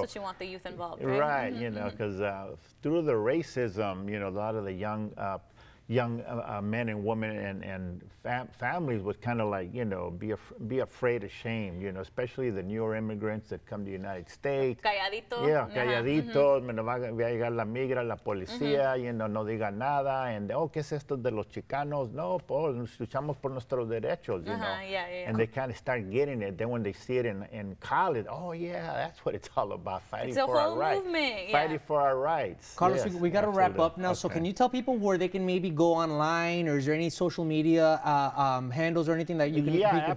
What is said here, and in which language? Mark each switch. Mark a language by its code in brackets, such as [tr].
[en] That's what you want the youth involved, right? Right, you know, because through the racism, you know, a lot of the young men and women and families would kind of like, you know, be afraid, ashamed, you know, especially the newer immigrants that come to the United States. [es] Calladitos. Me va a llegar la migra, la policía, you know, no diga nada. [en] And, [es] oh, ¿qué es esto de los Chicanos? No, pues, luchamos por nuestros derechos, you know. [en] And they kind of start getting it. Then when they see it in college, oh, yeah, that's what it's all about, fighting for our rights. It's a whole movement, fighting for our rights. Carlos, we got to wrap up now. Okay. So can you tell people where they can maybe go online, or is there any social media handles or anything that you can, Can